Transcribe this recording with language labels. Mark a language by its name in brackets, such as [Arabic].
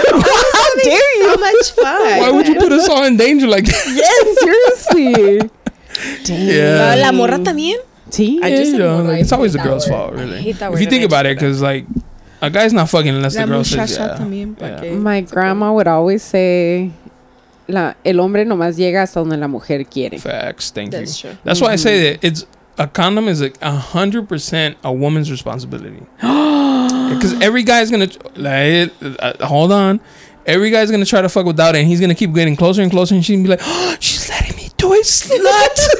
[English] How dare you? So much fun. Why would you put us all in danger like that? Yes, seriously. Damn. Yeah. [Spanish] La morra también? [English] It's always the girl's fault, really. I hate that word. If you think about it, because like, a guy's not fucking unless the girl says yeah. My grandma would always say, [Spanish] el hombre nomás llega hasta donde la mujer quiere. [English] Facts, thank you. That's true. That's why I say that it's a condom is 100% a woman's responsibility. Because every guy's gonna hold on. Every guy's gonna try to fuck without it, and he's gonna keep getting closer and closer, and she's gonna be like, oh, she's letting me do it, slut.